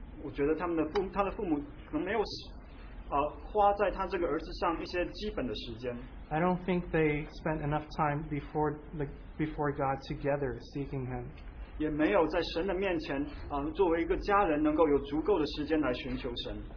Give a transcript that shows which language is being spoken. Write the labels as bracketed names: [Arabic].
[Chinese] 我觉得他的父母可能没有 花在他这个儿子上一些基本的时间。 [English] I don't think they spent enough time before God together seeking him. [Chinese] 也没有在神的面前, 作为一个家人能够有足够的时间来寻求神。